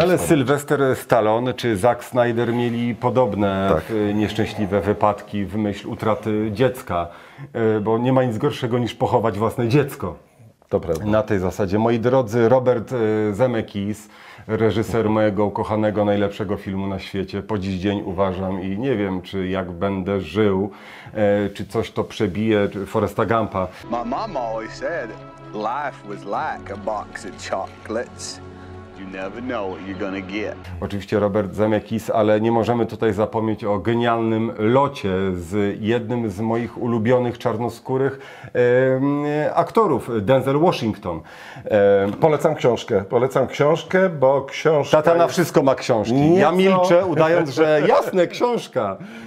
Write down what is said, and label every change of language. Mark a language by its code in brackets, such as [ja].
[pl] wspomnieć. Ale Sylvester Stallone czy Zack Snyder mieli podobne nieszczęśliwe wypadki w myśl utraty dziecka, bo nie ma nic gorszego niż pochować własne dziecko. To prawda. Na tej zasadzie. Moi drodzy, Robert Zemeckis, reżyser mojego ukochanego, najlepszego filmu na świecie, po dziś dzień uważam i nie wiem, czy jak będę żył, czy coś to przebije, Forresta Gumpa. [en] My mama always said life was like a box of chocolates. You never know what you're gonna get. [pl] Oczywiście Robert Zemeckis, ale nie możemy tutaj zapomnieć o genialnym locie z jednym z moich ulubionych czarnoskórych aktorów, Denzel Washington. Polecam książkę, bo książka... Tata na wszystko ma książki. Nieco... Ja milczę, udając, że jasne, książka.